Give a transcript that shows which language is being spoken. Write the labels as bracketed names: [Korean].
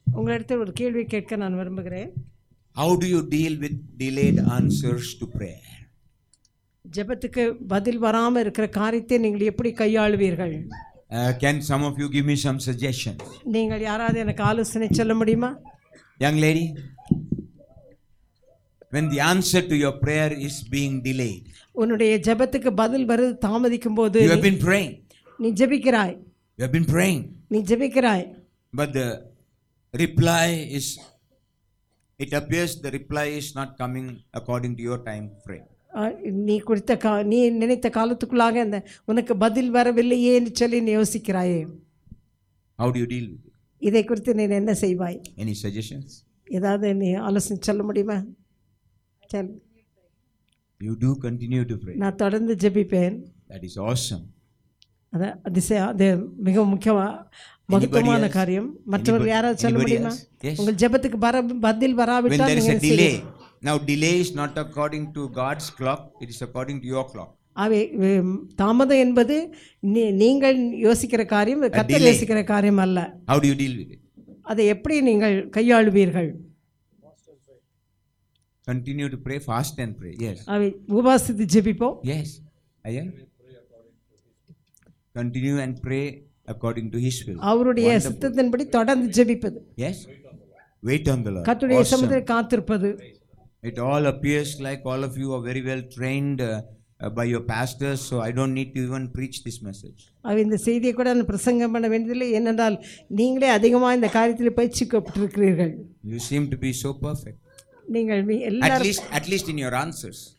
[Tamil] உங்களுக்கு ஒரு கேள்வி கேட்க நான் விரும்புகிறேன். [English] How do you deal with delayed answers to prayer? [Tamil] ஜெபத்துக்கு பதில் வராம இருக்கிற காரியத்தை நீங்கள் எப்படி கையாளுவீர்கள்? [English] Can some of you give me some suggestions? [Tamil] நீங்கள் யாராவது எனக்கு ஆலோசனை சொல்ல முடியுமா? [English] Young lady, when the answer to your prayer is being delayed. [Tamil] உன்னுடைய ஜெபத்துக்கு பதில் வருது தாமதிக்கும் போது. [English] You have been praying. [Tamil] நீ ஜெபிக்கிறாய். [English] You have been praying. [Tamil] நீ ஜெபிக்கிறாய். [English] But the reply is, it appears the reply is not coming according to your time frame. [Tamil] நீ குறித்த நீ நினைத்த காலத்துக்குள்ளாக அந்த உனக்கு பதில் வரவில்லையே என்று சொல்லி நீ யோசிக்கிறாயே. [English] How do you deal with it? [Tamil] இதை குறித்து நீ என்ன செய்வாய்? [English] Any suggestions? [Tamil] ஏதாவது நீ ஆலோசனை சொல்ல முடியுமா? [English] Tell. You do continue to pray. [Tamil] நான் தொடர்ந்து ஜெபிப்பேன். [English] That is awesome. [Tamil] அது அதிசயம், மிக முக்கியமா மகத்துவமான காரியம். மற்றவர்கள் யாராவது சொல்ல முடியுமா? உங்கள் ஜெபத்துக்கு பதில் வராவிட்டால் நீங்க என்ன செய்வீங்க? [English] Now delay is not according to God's clock, it is according to your clock. [Tamil] அவே தாமத என்பது நீங்கள் யோசிக்கிற காரியம், கர்த்தர் யோசிக்கிற காரியம் அல்ல. [English] How do you deal with it? [Tamil] அதை எப்படி நீங்கள் கையாளுவீர்கள்? [English] Continue to pray, fast and pray. Yes. [Tamil] Away உபவாசித்து ஜெபிப்போ. [English] Yes. Ayan. Continue and pray according to his will. [Tamil] அவருடைய சித்தத்தின்படி தொடர்ந்து ஜெபிப்பது. [English] Yes. Wait on the Lord. [Tamil] கர்த்தருடைய சமூகத்தில் காத்திருப்பது. [English] It all appears like all of you are very well trained by your pastors, so I don't need to even preach this message. [Tamil] அவ இந்த செய்தியை கூட நான் பிரசங்கம் பண்ண வேண்டியதில்லை, ஏனென்றால் நீங்களே அதிகமா இந்த காரியத்தில் பயிற்சி பெற்றிருக்கிறீர்கள். [English] You seem to be so perfect. [Tamil] நீங்கள் எல்லாரும் [English] at least in your answers.